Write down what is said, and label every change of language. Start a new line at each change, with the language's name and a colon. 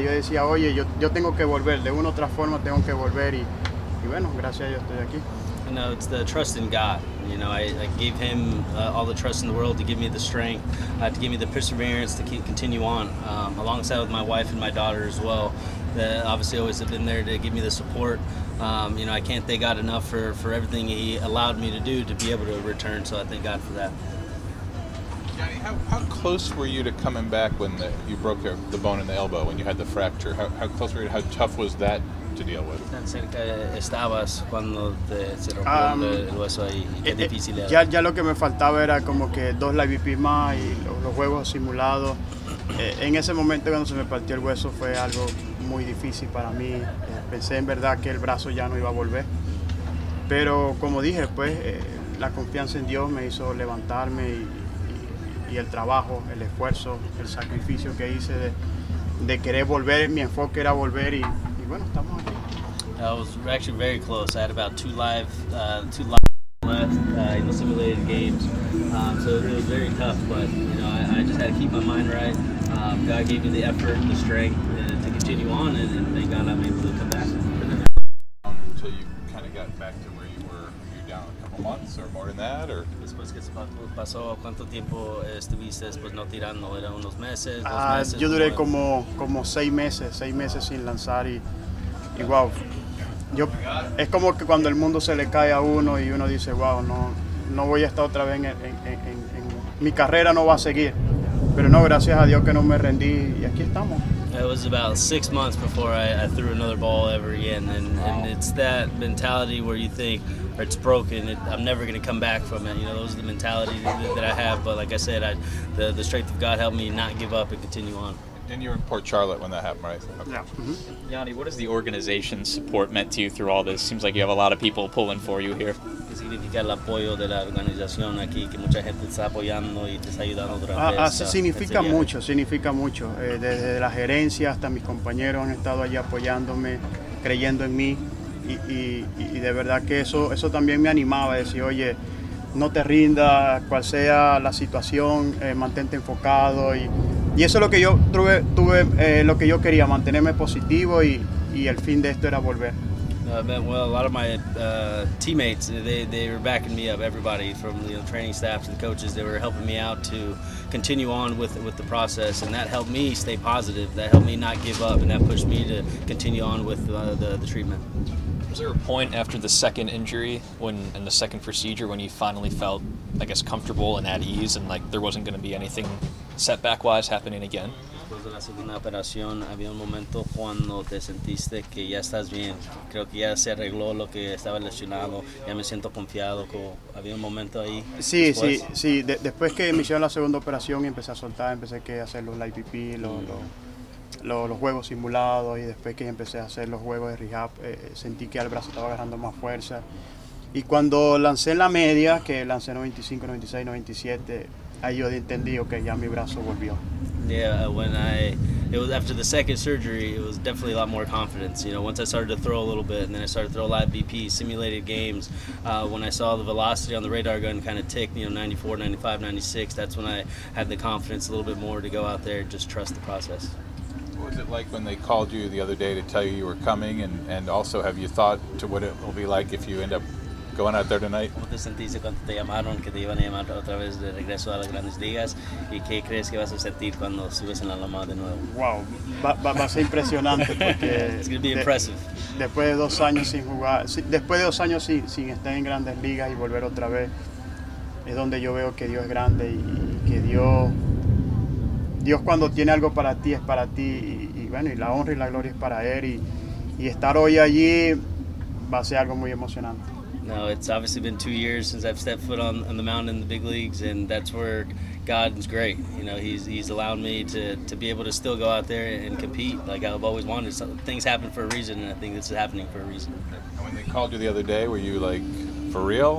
Spanish: Yo decía, oye, yo tengo que volver, de una u otra forma tengo que volver, y bueno, gracias a Dios estoy aquí.
English: You know, it's the trust in God. You know, I gave him all the trust in the world to give me the strength, to give me the perseverance to continue on, alongside with my wife and my daughter as well, that obviously always have been there to give me the support. You know, I can't thank God enough for everything He allowed me to do to be able to return, so I thank God for that. Yonny, how close were you to coming back when you broke the bone in the elbow, when you had the fracture? How close were you? How tough was that to deal with?
Spanish: Tan cerca estabas cuando se rompió el hueso y qué difícil era. Ya lo que me faltaba era como que dos live VIP más y los juegos simulados. En ese momento cuando se me partió el hueso fue algo muy difícil para mí. Pensé en verdad que el brazo ya no iba a volver. Pero como dije, pues la confianza en Dios me hizo levantarme y el trabajo, el esfuerzo, el sacrificio que hice de querer volver. Mi enfoque era volver y bueno, estamos aquí.
English: I was actually very close. I had about two live in the simulated games, so it was very tough, but you know, I just had to keep my mind right. God gave me the effort and the strength to continue on, and thank God I'm able to come back. Until you kind of got back to where you were, you're down a couple months or more than that, or?
Spanish: Después que se pasó, ¿cuánto tiempo estuviste después no tirando? ¿Era unos meses, dos meses? Yo duré como seis meses sin lanzar, y wow. Yo, es como que cuando el mundo se le cae a uno y uno dice, wow, no voy a estar otra vez en mi carrera no va a seguir. Pero no, gracias a Dios que no me rendí y aquí estamos.
English: It was about 6 months before I threw another ball ever again. And it's that mentality where you think, it's broken, I'm never going to come back from it. You know, those are the mentality that I have. But like I said, the strength of God helped me not give up and continue on. And you were in Port Charlotte when that happened, right? Okay. Yeah. Mm-hmm. Yonny, what has the organization's support meant to you through all this? Seems like you have a lot of people pulling for you here.
Spanish: ¿Qué significa el apoyo de la organización aquí? Que mucha gente está apoyando y te está ayudando durante Significa mucho. Desde la gerencia hasta mis compañeros han estado allí apoyándome, creyendo en mí. Y de verdad que eso también me animaba a decir, oye, no te rindas, cual sea la situación, mantente enfocado y eso es lo que yo tuve lo que yo quería, mantenerme positivo y el fin de esto era volver.
English: Well, a lot of my teammates, they were backing me up, everybody from the, you know, training staff to the coaches, they were helping me out to continue on with the process, and that helped me stay positive, that helped me not give up, and that pushed me to continue on with the treatment. Was there a point after the second injury and the second procedure when you finally felt, I guess, comfortable and at ease and like there wasn't going to be anything setback-wise happening again?
Spanish: Después de la segunda operación, había un momento cuando te sentiste que ya estás bien. Creo que ya se arregló lo que estaba lesionado. Ya me siento confiado. Había un momento ahí. Sí, después. Sí. Después que me hicieron la segunda operación y empecé a soltar, empecé a hacer los IPP, los juegos simulados y después que empecé a hacer los juegos de rehab, sentí que el brazo estaba agarrando más fuerza. Y cuando lancé la media, que lancé 95, 96, 97, ahí yo entendí que ya mi brazo volvió.
English: Yeah, when I... It was after the second surgery, it was definitely a lot more confidence. You know, once I started to throw a little bit, and then I started to throw live BP, simulated games, when I saw the velocity on the radar gun kind of tick, you know, 94, 95, 96, that's when I had the confidence a little bit more to go out there and just trust the process. What was it like when they called you the other day to tell you you were coming, and also have you thought to what it will be like if you end up going out there tonight?
Spanish: ¿Cómo te sentiste cuando te llamaron que te iban a llamar otra vez de regreso a las Grandes Ligas? ¿Y qué crees que vas a sentir cuando subes en la loma de nuevo? Wow, va a ser impresionante porque
English: it's gonna be impressive.
Spanish: Después de dos años sin jugar, después de dos años sin estar en Grandes Ligas y volver otra vez, es donde yo veo que Dios es grande y que Dios cuando tiene algo para ti es para ti y bueno, y la honra y la gloria es para él y estar hoy allí va a ser algo muy emocionante.
English: No, it's obviously been 2 years since I've stepped foot on the mound in the big leagues, and that's where God's great. You know, he's allowed me to be able to still go out there and compete like I've always wanted. So things happen for a reason, and I think this is happening for a reason. And when they called you the other day, were you like, for real?